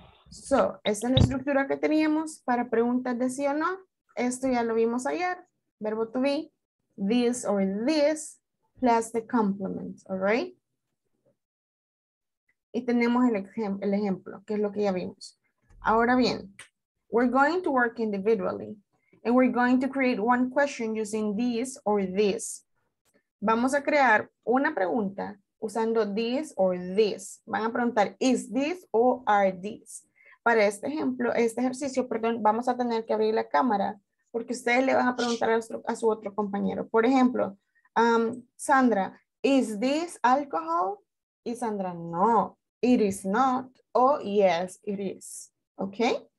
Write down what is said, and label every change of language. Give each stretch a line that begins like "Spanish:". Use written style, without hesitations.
Spanish: So, esta es la estructura que teníamos para preguntas de sí o no. Esto ya lo vimos ayer. Verbo
English: to be, this or this, plus the complement. All right?
Spanish: Y tenemos el ejemplo, que es lo que ya vimos. Ahora bien,
English: we're going to work individually. And we're going to create one question using this or this.
Spanish: Vamos a crear una pregunta usando
English: this or this.
Spanish: Van a preguntar,
English: is this or are this?
Spanish: Para este ejemplo, este ejercicio, perdón, vamos a tener que abrir la cámara porque ustedes le van a preguntar a su otro compañero. Por ejemplo,
English: Sandra, is this alcohol? Y Sandra, no, it is not. Oh, yes, it is. Okay.